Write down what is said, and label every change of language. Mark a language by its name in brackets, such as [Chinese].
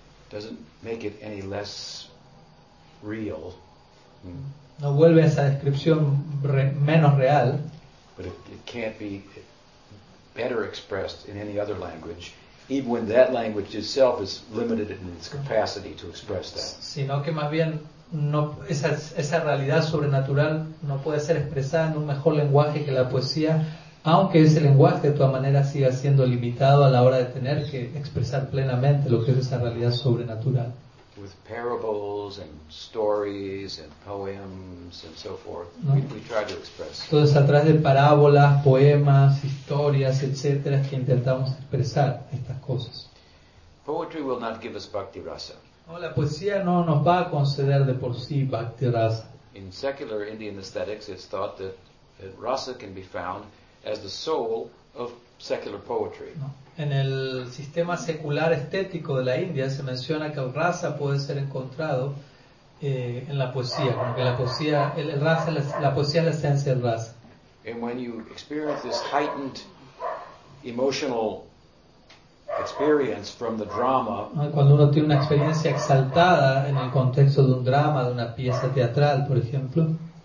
[English] doesn't make it any less real. [Spanish] No vuelve a esa descripción menos real. [English] But it can't be better expressed in any other language. Even when that language itself is limited in its capacity to express that. [Spanish] Sino que más bien no, esa realidad sobrenatural no puede ser expresada en un mejor lenguaje que la poesía, aunque ese lenguaje de todas maneras siga siendo limitado a la hora de tener que expresar plenamente lo que es esa realidad sobrenatural. [English] With parables and stories and poems and so forth, [Spanish] ¿no? [English] we try to express. [Spanish] Entonces, a través de parábolas, poemas, historias, etcétera, es que intentamos expresar estas cosas. [English] Poetry will not give us bhakti rasa. [Spanish] No, la poesía no nos va a conceder de por sí bhakti rasa. [English] In secular Indian aesthetics, it's thought that rasa can be found as the soul of secular poetry. [Spanish] ¿No? En el sistema secular estético de la India se menciona que el rasa puede ser encontrado en la poesía, porque la poesía, el rasa, la poesía es la esencia del rasa. [English] And when you experience this heightened emotional experience from the drama, [Spanish] cuando uno tiene una experiencia exaltada en el contexto de un drama, de una pieza teatral, por ejemplo,